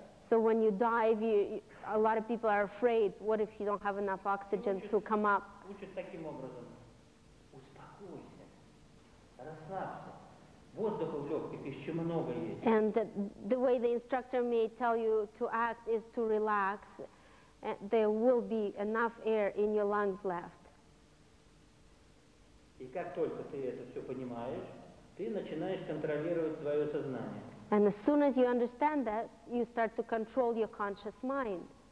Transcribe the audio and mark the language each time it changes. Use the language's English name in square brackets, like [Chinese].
[English] So when you dive, a lot of people are afraid. What if you don't have enough oxygen to come up? [Russian] Лучше таким образом. Успокойся. Расслабься. Воздуха в легких еще много есть. [English] And the way the instructor may tell you to act is to relax. There will be enough air in your lungs left. [Russian] И как только ты это все понимаешь, ты начинаешь контролировать свое сознание. [English] And as soon as you understand that, you start to control your conscious mind.